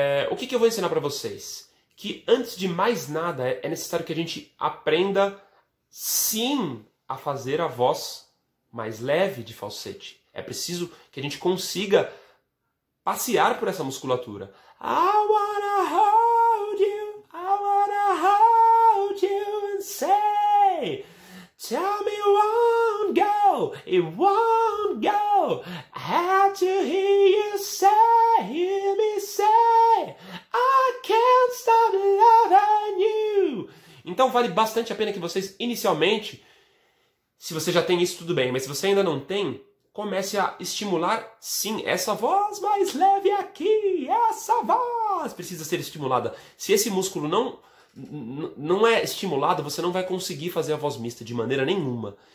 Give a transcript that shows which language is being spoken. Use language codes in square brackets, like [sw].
[pt] O que que eu vou ensinar para vocês? Que antes de mais nada, é necessário que a gente aprenda sim a fazer a voz mais leve de falsete. É preciso que a gente consiga passear por essa musculatura. [en] I wanna hold you, I wanna hold you and say, tell me it won't go, it won't go. Had to hear you say, hear me say, I can't stop loving you. [pt] Então vale bastante a pena que vocês, inicialmente, se você já tem isso, tudo bem, mas se você ainda não tem, comece a estimular, sim, essa voz mais leve aqui, essa voz precisa ser estimulada. Se esse músculo não não é estimulado, você não vai conseguir fazer a voz mista de maneira nenhuma.